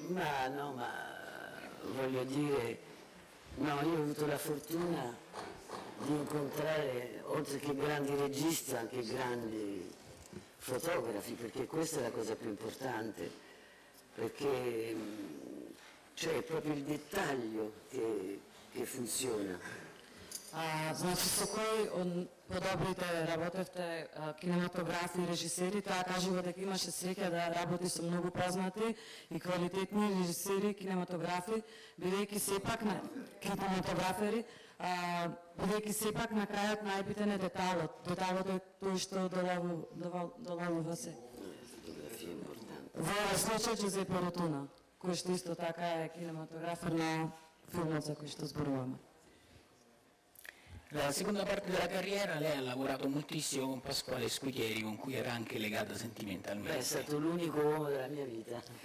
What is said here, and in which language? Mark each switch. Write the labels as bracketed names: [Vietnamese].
[Italian] Ma no, ma voglio dire, no, io ho avuto la fortuna di incontrare, oltre che grandi registi, anche grandi fotografi, perché questa è la cosa più importante, perché cioè è proprio il dettaglio che funziona. [Macedonian] Значи со кој од подобрите работевте кинематографи и режисери, тоа кажува дека имаше среќа да работи со многу познати и квалитетни режисери, кинематографи, бидејќи сепак на кинематографери, бидејќи сепак на крајот најбитен е деталот. Деталот е тој што долавува се. Во случај че Зепо Ротуна, кој што исто така е кинематографер на филмот за кој што зборуваме. [Italian] La seconda parte della carriera lei ha lavorato moltissimo con Pasquale Squiglieri, con cui era anche legata sentimentalmente. Beh, è stato l'unico uomo della mia vita.